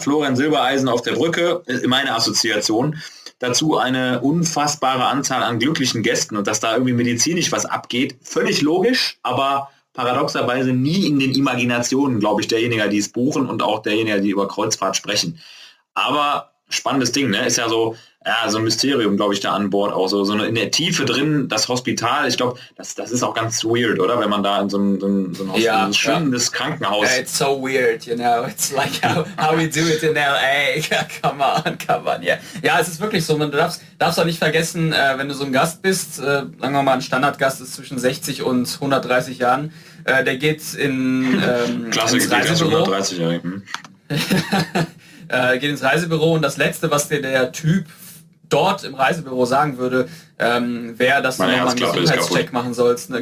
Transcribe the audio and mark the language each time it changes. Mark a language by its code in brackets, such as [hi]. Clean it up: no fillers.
[de] Florian Silbereisen auf der Brücke, meine Assoziation, dazu eine unfassbare Anzahl an glücklichen Gästen und dass da irgendwie medizinisch was abgeht, völlig logisch, aber paradoxerweise nie in den Imaginationen, glaube ich, derjenigen, die es buchen und auch derjenigen, die über Kreuzfahrt sprechen. Aber spannendes Ding, ne? Ist ja so ein Mysterium, glaube ich, da an Bord auch. So in der Tiefe drin, das Hospital, ich glaube, das ist auch ganz weird, oder? Wenn man da in so ein Hospital, ja, ein schönes Krankenhaus. [en] Yeah, it's so weird, you know. It's like how we do it in L.A. Come on, yeah. [de] Ja, es ist wirklich so. Man darf auch nicht vergessen, wenn du so ein Gast bist, sagen wir mal, ein Standardgast ist zwischen 60 und 130 Jahren, der geht in Klassik geht ins 130-Jährigen. Geht ins Reisebüro und das Letzte, was dir der Typ dort im Reisebüro sagen würde, wäre, dass du nochmal einen Gesundheitscheck machen sollst. Ne?